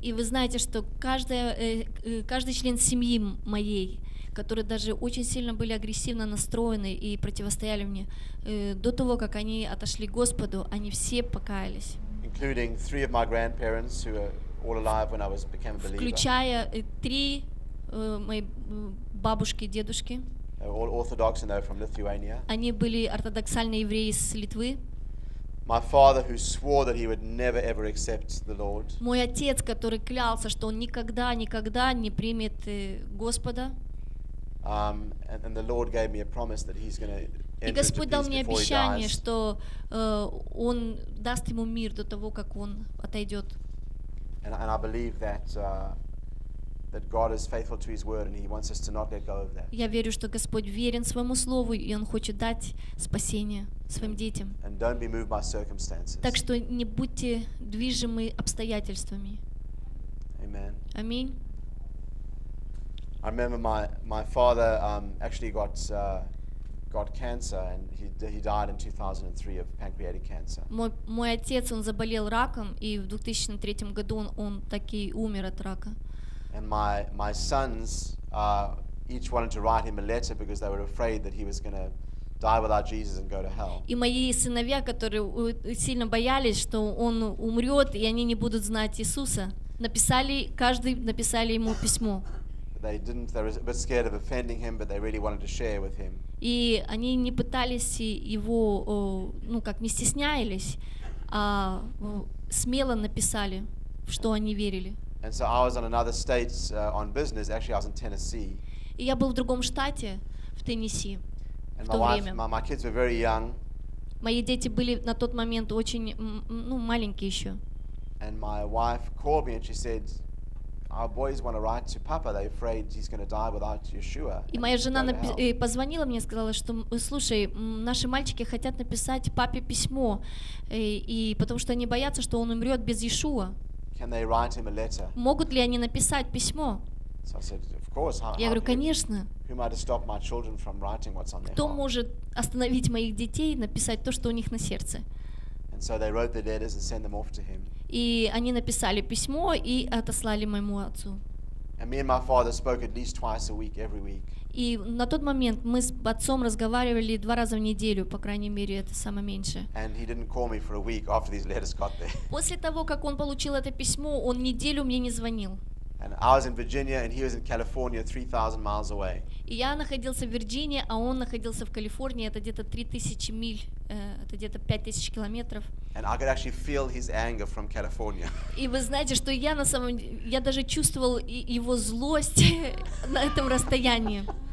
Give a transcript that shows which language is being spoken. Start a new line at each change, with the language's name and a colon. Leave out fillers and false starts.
Ukrainian: І ви знаєте, що кожен член сім'ї моєї, які навіть дуже сильно були агресивно настроєні і протистояли мені, до того, як вони відійшли Господу, вони всі покаялись.
English: Including three of my grandparents who were all alive when I was became a believer.
Russian: Включая три мої бабушки, дедушки.
English: All orthodox and they're from Lithuania.
Ukrainian: Вони були ортодоксальні євреї з Литви.
English: My father who swore that he would never ever accept the Lord.
Russian: Мой отец,
Ukrainian: який клялся, що він ніколи не прийме Господа.
English: And the Lord gave me a promise that he's going to enter into peace before he dies.
Ukrainian: І Господь дав мені обіцяння, що він дасть йому мир до того, як він відійде.
English: And I believe that that God is faithful to his word and he wants us to not let go of that.
Ukrainian: Я вірю, що Господь вірен своєму слову, і він хоче дати спасіння своїм дітям.
English: And don't be moved by circumstances.
Ukrainian: Так що не будьте движимі обставинами.
English: Amen.
Ukrainian: Амінь.
English: I remember my father actually got cancer and he died in 2003 of pancreatic cancer.
Russian: Мой отец, он заболел раком, и в 2003 году он так и умер от рака.
English: And my sons each wanted to write him a letter because they were afraid that he was going to die without Jesus and go to hell.
Russian: И мои сыновья, которые сильно боялись, что он умрёт и они не будут знать Иисуса, написали ему письмо.
English: They were a bit scared of offending him, but they really wanted to share with him.
Russian: И они не пытались его, ну, как не стеснялись, а смело написали, что они верили.
English: And so I was on another state on business. Actually, I was in Tennessee.
Russian: И я был в другом штате, в Теннесси,
English: and
Russian: в то
English: wife,
Russian: время.
English: My kids were very young.
Russian: Мои дети были на тот момент очень, ну, маленькие еще.
English: And my wife called me and she said, our boys want to write to papa, they're afraid he's going to die without Yeshua.
Russian: И моя жена позвонила мне, сказала, что слушай, наши мальчики хотят написать папе письмо, и потому что они боятся, что он умрет без Иешуа.
English: Can they write him a letter?
Russian: Могут ли они написать письмо?
English: So I said, of course.
Russian: Я говорю, конечно.
English: Who might stop my children from writing what's on their heart?
Russian: Кто может остановить моих детей написать то, что у них на сердце?
English: And so they wrote the letters and sent them off to him.
Russian: И они написали письмо и отослали моему отцу.
English: And me and my father spoke at least twice a week, every week.
Russian: И на тот момент мы с отцом разговаривали два раза в неделю, по крайней мере, это самое меньше.
English: And he didn't call me for a week after these letters got there.
Russian: После того, как он получил это письмо, он неделю мне не звонил.
English: And I was in Virginia and he was in California 3000 miles away.
Russian: И я находился в Вирджинии, а он находился в Калифорнии, это где-то 3000 миль, это где-то 5000 километров.
English: And I could actually feel his anger from California.
Russian: И вы знаете, что я на самом деле, я даже чувствовал его злость на этом расстоянии.